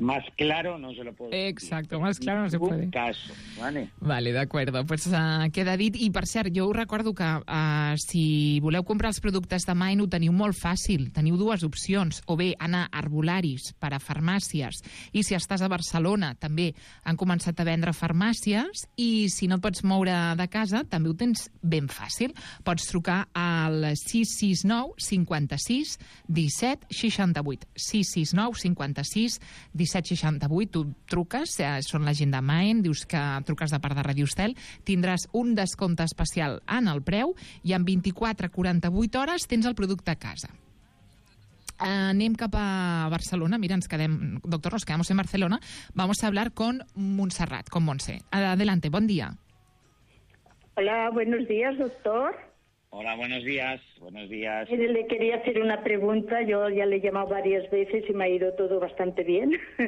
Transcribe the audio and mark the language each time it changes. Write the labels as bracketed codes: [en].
[es] Más claro no se lo puedo decir. Exacto, más claro no se puede. En ningún caso, ¿vale? [ca] Vale, d'acord. Pues queda dit. I, per cert, jo us recordo que si voleu comprar els productes de Mind, ho teniu molt fàcil. Teniu dues opcions. O bé, anar a Herbolaris per a farmàcies. I si estàs a Barcelona, també han començat a vendre farmàcies. I si no et pots moure de casa, també ho tens ben fàcil. Pots trucar al 669-56-17-68. 669-56-17-68. 669-56-1768. Tu truques, són la gent de Maen, dius que truques de part de Ràdio Estel, tindràs un descompte especial en el preu i en 24-48 hores tens el producte a casa. Anem cap a Barcelona. Mira, ens quedem, doctor, [es] nos quedamos en Barcelona. Vamos a hablar con Montserrat, con Montse. Adelante, [ca] bon dia. [es] Hola, buenos días, doctor. Hola, buenos días, buenos días. Le quería hacer una pregunta. Yo ya le he llamado varias veces y me ha ido todo bastante bien.